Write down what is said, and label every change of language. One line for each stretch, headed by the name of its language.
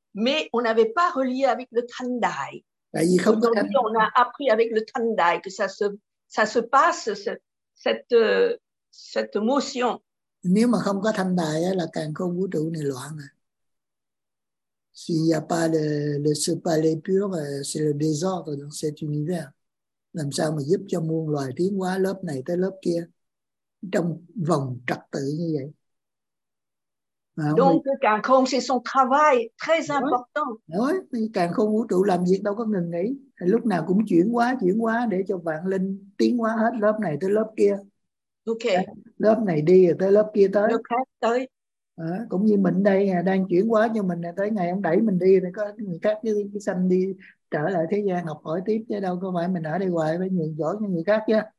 French: Mais on n'avait pas relié avec le Tandai. Aujourd'hui, on a appris avec le Tandai que ça se passe, cette motion. Si on n'a pas le Tandai, le Càn-khôn vũ trụ est loin. S'il n'y a pas ce palais pur, c'est le désordre dans cet univers.
Vietnamese: Làm sao mà giúp cho muôn loài tiến hóa lớp này tới lớp kia trong vòng trật tự như vậy.
French: Donc, càn khôn, c'est son travail très important.
Vietnamese: Oui, càn khôn vũ trụ làm việc đâu có ngừng nghỉ. Lúc nào cũng chuyển hóa để cho vạn linh tiến hóa hết lớp này tới lớp kia. Ok. Lớp này đi rồi tới lớp kia tới. Lớp khác tới. Cũng như mình đây đang chuyển hóa cho mình, tới ngày ông đẩy mình đi thì có người khác cái sanh đi trở lại thế gian học hỏi tiếp, chứ đâu có phải mình ở đây hoài với những giỏi như người khác chứ.